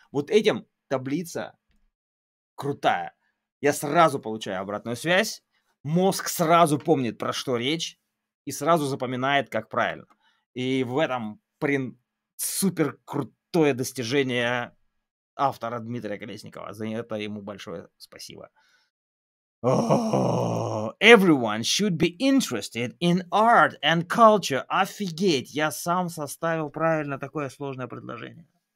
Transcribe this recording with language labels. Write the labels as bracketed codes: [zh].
[ru] Вот этим таблица крутая. Я сразу получаю обратную связь. мозг сразу помнит, про что речь, и сразу запоминает, как правильно. И в этом супер крутое достижение автора Дмитрия Колесникова. За это ему большое спасибо. [en] Everyone should be interested in art and culture. [ru] Офигеть, я сам составил правильно такое сложное предложение.